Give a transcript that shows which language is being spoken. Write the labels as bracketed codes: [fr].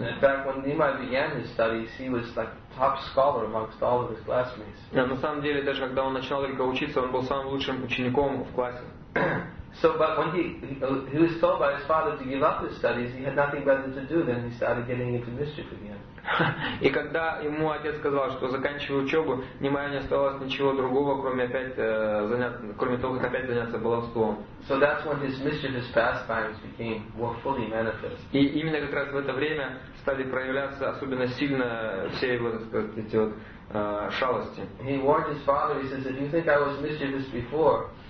[ru] На самом деле, даже когда он начинал только учиться, он был самым лучшим учеником в классе. [en] So, but when he was told by his father to give up his studies, he had nothing better to do than he started getting into mischief again. [ru] И когда ему отец сказал, что заканчивая учебу, Нимаю не оставалось ничего другого, кроме того, как опять заняться баловством. [en] So that's when his mischievous pastimes became more fully manifest. [ru] И именно как раз в это время стали проявляться особенно сильно все его, так сказать, эти вот шалости. [en] He warned his father. He says, "If you think I was mischievous before."